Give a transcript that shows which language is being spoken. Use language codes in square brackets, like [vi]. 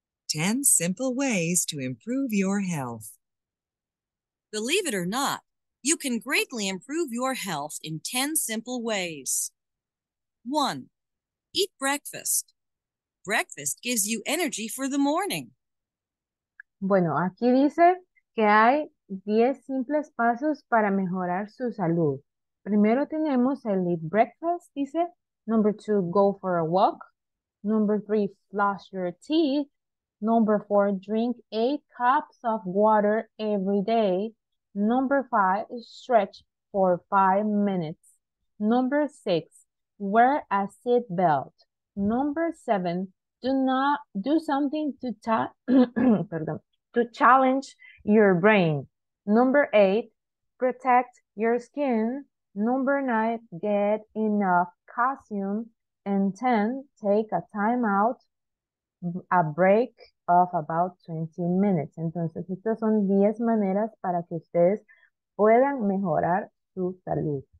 [en] 10 simple ways to improve your health. Believe it or not, you can greatly improve your health in 10 simple ways. 1. Eat breakfast. Breakfast gives you energy for the morning. [es] Bueno, aquí dice que hay 10 simples pasos para mejorar su salud. Primero tenemos el [en] eat breakfast, [es] dice. [en] Number two, go for a walk. Number three, floss your teeth. Number four, drink 8 cups of water every day. Number five, stretch for 5 minutes. Number six, wear a seat belt. Number seven, do something to pardon, to challenge your brain. Number eight, protect your skin. Number nine, get enough calcium. And 10, take a time out, a break of about 20 minutes. [es] Entonces, estas son 10 maneras para que ustedes puedan mejorar su salud.